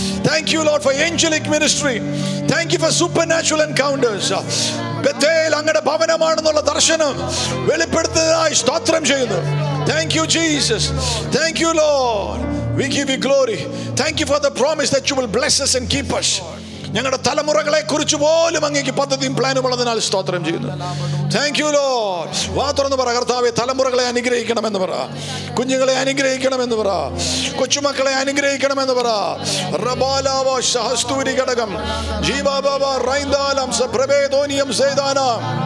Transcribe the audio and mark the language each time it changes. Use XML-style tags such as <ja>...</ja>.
<en>Thank you, Lord, for angelic ministry. Thank you for supernatural encounters.</en> <ml>ബെത്തേൽ അങ്ങയുടെ ഭവനമാണെന്നുള്ള ദർശനം വെളിപ്പെടുത്തതായി സ്തോത്രം ചെയ്യുന്നു.</ml> <en>Thank you, Jesus. Thank you, Lord. We give you glory. Thank you for the promise that you will bless us and keep us.</en> <ml>ഞങ്ങളുടെ തലമുറകളെ കുറിച്ച് പോലും അങ്ങേക്ക് പദ്ധതിയും പ്ലാനും ഉള്ളതിനാൽ സ്തോത്രം ചെയ്യുന്നു.</ml> <en>Thank you lord.</en> <ml>വാ തുറന്ന് പറ, കർത്താവേ, തലമുറകളെ അനുഗ്രഹിക്കണമെന്ന് പറ, കുഞ്ഞുങ്ങളെ അനുഗ്രഹിക്കണമെന്ന് പറ, കൊച്ചുമക്കളെ അനുഗ്രഹിക്കണമെന്ന് പറ. റബാലാവ ശഹസ്തൂരി ഘടകം ജീവാബാബ റൈന്ദാലം സ പ്രഭേദോനിയം സേദാനം</ml>